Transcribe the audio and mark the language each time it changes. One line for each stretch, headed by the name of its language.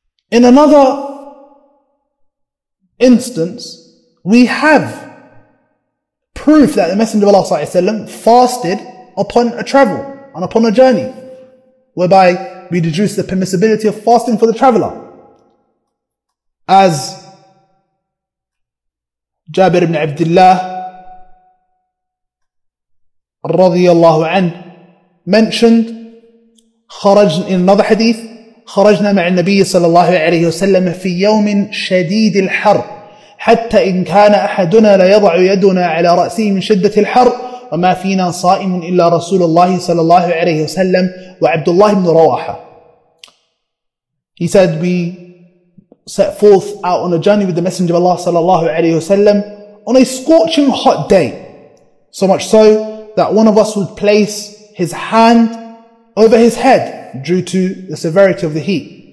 English: In another instance, we have proof that the Messenger of Allah sallallahu alayhi wa sallam fasted upon a travel and upon a journey, whereby we deduce the permissibility of fasting for the traveler. As Jabir ibn Abdullah radiyallahu anhu mentioned in another hadith,
Arabic: خرجنا مع النبي صلى الله عليه وسلم في يوم شديد الحر حتى إن كان أحدنا لا يضع يدنا على رأسه من شدة الحر وما فينا صائم إلا رسول الله صلى الله عليه وسلم وعبد الله بن رواحة.
English: He said, we set forth out on a journey with the Messenger of Allah
Arabic: صلى الله عليه وسلم
English: on a scorching hot day, so much so that one of us would place his hand over his head due to the severity of the heat.